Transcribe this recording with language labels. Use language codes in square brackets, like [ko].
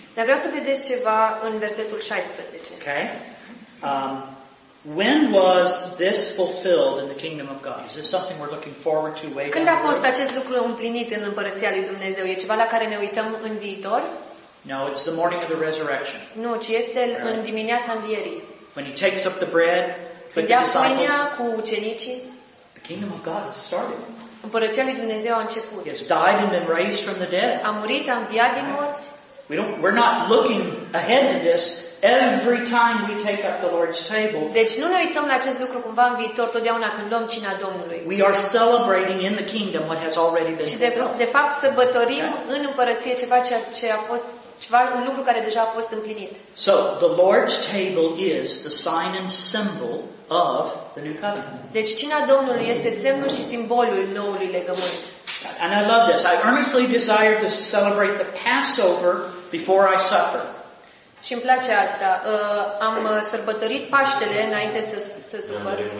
[ro] Dar vreau să vedeți ceva în versetul 16. [en] Okay. When was this fulfilled in the kingdom of God? Is this something we're looking forward to? [ro] Când a fost acest lucru împlinit în împărăția lui Dumnezeu? E ceva la care ne uităm în viitor? [en] No, it's the morning of the resurrection. [ro] Nu, ci este în dimineața învierii. [en] When he takes up the bread with the disciples, [ro] cu ucenicii, [en] the kingdom of God has started. [ro] Împărăția lui Dumnezeu a început. [en] He has died and been raised from the dead. [ro] A murit, a înviat din morți. [en] We're not looking ahead to this every time we take up the Lord's table. [ro] Deci nu ne uităm la acest lucru cumva în viitor, totdeauna când luăm cina Domnului. [en] We are celebrating in the kingdom what has already been done. [ro] De fapt, sărbătorim în împărăție ceva ce a fost. Ceva, un lucru care deja a fost împlinit. [en] So the Lord's table is the sign and symbol of the new covenant. [ro] Deci cina Domnului este semnul și simbolul noului legământ. [en] And I love this. I earnestly desire to celebrate the Passover before I suffer. [ro] Și îmi place asta. Am sărbătorit Paștele înainte să sufăr.